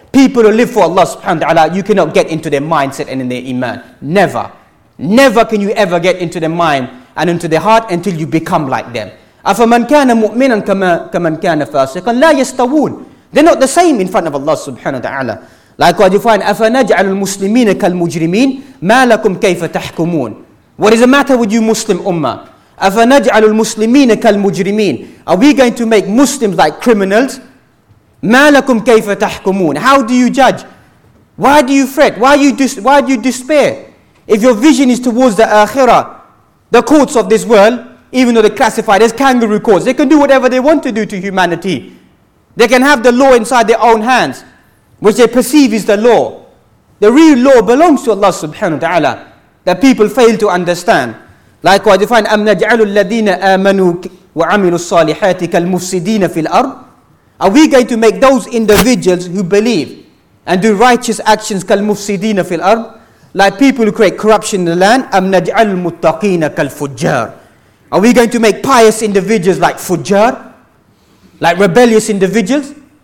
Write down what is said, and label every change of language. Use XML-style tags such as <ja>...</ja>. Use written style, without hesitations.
<en>People who live for Allah subhanahu wa ta'ala, you cannot get into their mindset and in their iman. Never. Never can you ever get into their mind and into their heart until you become like them.</en> <ar>أَفَمَنْ كَانَ مُؤْمِنًا كَمَنْ كَانَ فَاسِقًا لَا يَسْتَوُونَ.</ar> <en>They're not the same in front of Allah subhanahu wa ta'ala. Likewise you find,</en> <ar>أَفَنَجْعَلُ الْمُسْلِمِينَ كَالْمُجْرِمِينَ مَا لَكُمْ كَيْفَ تَحْكُمُونَ.</ar> <en>What is the matter with you Muslim ummah?</en> <ar>أَفَنَجْعَلُ الْمُسْلِمِينَ كَالْمُجْرِمِينَ.</ar> <en>Are we going to make Muslims like criminals?</en> <ar>مَا لَكُمْ كَيْفَ تَحْكُمُونَ.</ar> <en>How do you judge? Why do you fret? Why do you despair? If your vision is towards the Akhirah, the courts of this world, even though they're classified as kangaroo courts, they can do whatever they want to do to humanity. They can have the law inside their own hands, which they perceive is the law. The real law belongs to Allah subhanahu wa ta'ala, that people fail to understand. Likewise, you find,</en> <ar>أَمْ نَجْعَلُ الَّذِينَ آمَنُوا وَعَمِلُوا الصَّالِحَاتِ كَالْمُفْسِدِينَ فِي الْأَرْضِ.</ar> <en>Are we going to make those individuals who believe and do righteous actions</en> <ar>كَالْمُفْسِدِينَ فِي الْأَرْضِ,</ar> <en>like people who create corruption in the land,</en> <ar>أَمْ نَجْعَلُ الْمُتَّقِينَ كَالْفُجَّارِ.</ar> <en>Are we going to make pious individuals like Fujar, like rebellious individuals?</en>